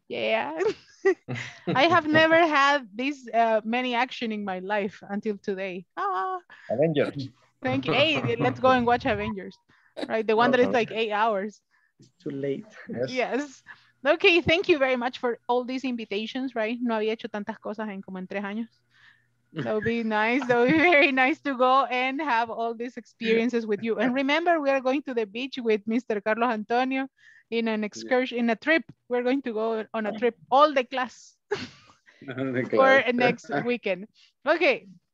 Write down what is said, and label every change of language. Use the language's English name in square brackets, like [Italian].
[English] Yeah. I have never had this many action in my life until today. Ah. Avengers. Thank you. Hey, let's go and watch Avengers. Right, the one that is like 8 hours. It's too late. Yes. Yes. Okay, thank you very much for all these invitations, right? [Spanish] No había hecho tantas cosas en como en 3 años. [English] That would be nice. That would be very nice to go and have all these experiences with you. And remember, we are going to the beach with Mr. Carlos Antonio in an excursion, in a trip. We're going to go on a trip, all the class, for next weekend. Okay.